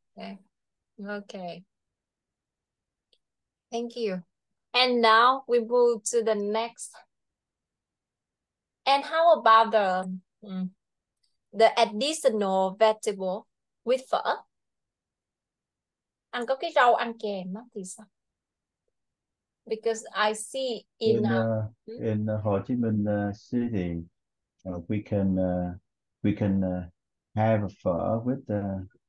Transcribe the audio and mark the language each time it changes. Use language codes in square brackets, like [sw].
[en] Okay. Thank you. And now we move to the next. And how about the additional vegetable with pho? [vi] Ăn có cái rau ăn kèm á thì sao? [en] Because I see in Ho Chi Minh city, we can have a pho with the